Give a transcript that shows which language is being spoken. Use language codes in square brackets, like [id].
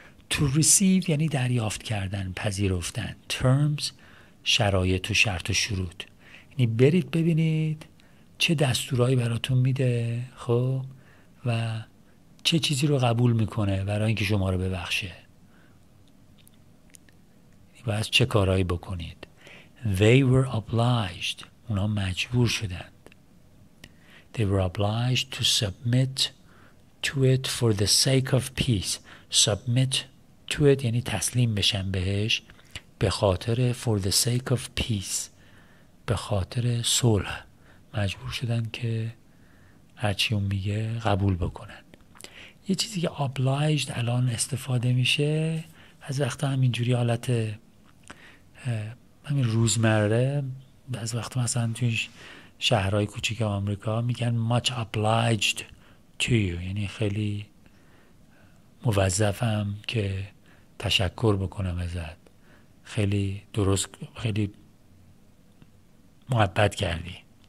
[fa] To receive یعنی دریافت کردن، پذیرفتن. Terms شرایط و شرط و شروط، یعنی برید ببینید چه دستورایی براتون میده، خب، و چه چیزی رو قبول میکنه برای اینکه شما رو ببخشه و از چه کارهایی بکنید. [en] They were obliged، [fa] اونا مجبور شدند. [en] They were obliged to submit to it for the sake of peace. Submit to it [fa] یعنی تسلیم بشن بهش، به خاطر، [en] for the sake of peace، [fa] به خاطر صلح مجبور شدن که هرچی اون میگه قبول بکنن. یه چیزی که obliged الان استفاده میشه از وقتا همینجوری حالت همین روزمره، از وقتا مثلا توی شهرهای کوچیک آمریکا میگن [en] much obliged to you، [fa] یعنی خیلی موظفم که تشکر بکنم ازت، خیلی درست، خیلی محبت کردی.